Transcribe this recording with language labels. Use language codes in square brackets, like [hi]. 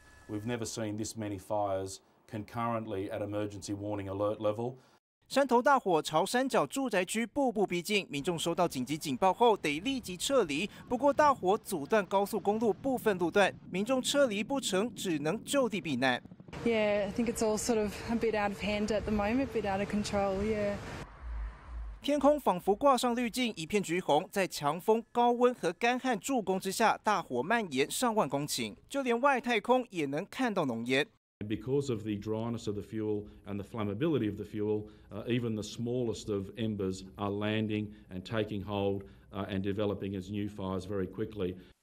[en] We've never seen this many fires concurrently at emergency warning alert level。 [zh] 山头大火朝山脚住宅区步步逼近，民众收到紧急警报后得立即撤离。不过大火阻断高速公路部分路段，民众撤离不成，只能就地避难。 [en] Yeah, I think it's all sort of a bit out of hand at the moment, a bit out of control. Yeah. [zh] 天空仿佛挂上滤镜，一片橘红。在强风、高温和干旱助攻之下，大火蔓延上万公顷，就连外太空也能看到浓烟。 [en] Because of the dryness of the fuel and the flammability of the fuel, even the smallest of embers are landing and taking hold, and developing as new fires very quickly.